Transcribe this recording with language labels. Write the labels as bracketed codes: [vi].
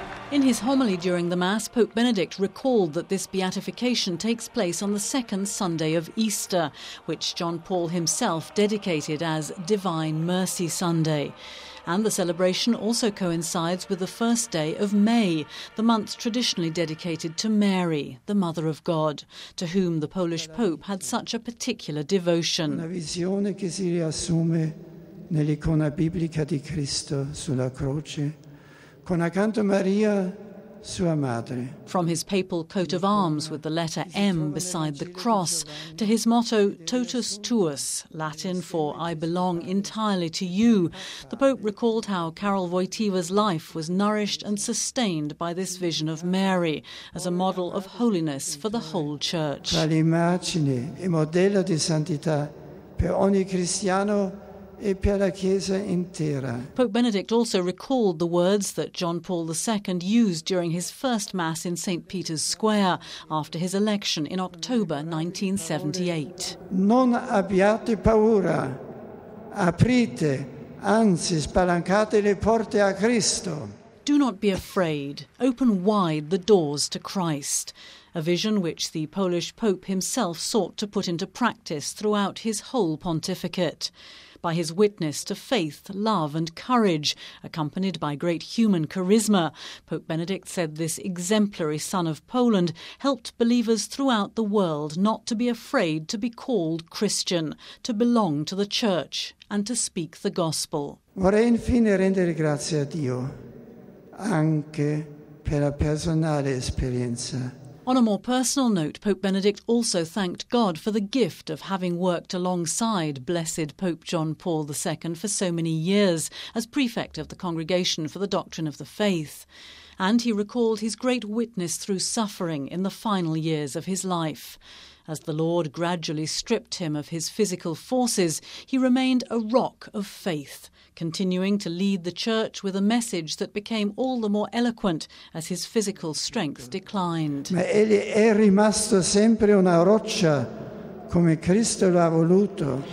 [en] In his homily during the Mass, Pope Benedict recalled that this beatification takes place on the second Sunday of Easter, which John Paul himself dedicated as Divine Mercy Sunday. And the celebration also coincides with the first day of May, the month traditionally dedicated to Mary, the Mother of God, to whom the Polish Pope had such a particular devotion. [it] Una visione che si riassume nell'icona biblica di Cristo sulla croce, con accanto Maria, sua madre. [en] From his papal coat of arms with the letter M beside the cross to his motto Totus Tuus, Latin for I belong entirely to you, the Pope recalled how Karol Wojtyła's life was nourished and sustained by this vision of Mary as a model of holiness for the whole Church. [it] Tra l'immagine e modello di santità per ogni cristiano. [en] Pope Benedict also recalled the words that John Paul II used during his first Mass in St. Peter's Square after his election in October 1978. [it] Non abbiate paura, aprite, anzi spalancate le porte a Cristo. [en] Do not be afraid, open wide the doors to Christ. A vision which the Polish Pope himself sought to put into practice throughout his whole pontificate. By his witness to faith, love and courage, accompanied by great human charisma, Pope Benedict said this exemplary son of Poland helped believers throughout the world not to be afraid to be called Christian, to belong to the Church and to speak the Gospel. [it] Vorrei infine rendere grazie a Dio anche per la personale esperienza [en] On a more personal note, Pope Benedict also thanked God for the gift of having worked alongside Blessed Pope John Paul II for so many years as prefect of the Congregation for the Doctrine of the Faith. And he recalled his great witness through suffering in the final years of his life. As the Lord gradually stripped him of his physical forces, he remained a rock of faith, continuing to lead the church with a message that became all the more eloquent as his physical strength declined. [it] Ma egli è rimasto sempre una roccia, come Cristo l'ha voluto.